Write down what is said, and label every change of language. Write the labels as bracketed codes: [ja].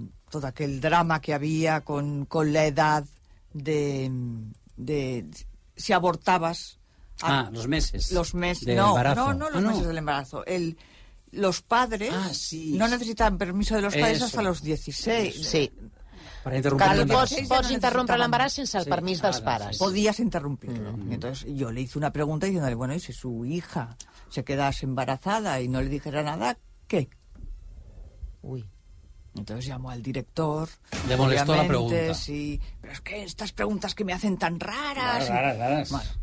[es] todo aquel drama que había con la edad de si abortabas los meses del embarazo, los padres no necesitaban permiso de los padres hasta los 16. Sí. Para interrumpir el embarazo. [ca] Pots interrompre l'embaràs sense el permís dels pares. [es] Podías interrumpirlo. Mm-hmm. Entonces yo le hice una pregunta diciéndole, bueno, y si su hija se quedase embarazada y no le dijera nada, ¿qué? Uy. Entonces llamó al director. Le molestó la pregunta. Sí, pero es que estas preguntas que me hacen tan raras. Raras. Bueno,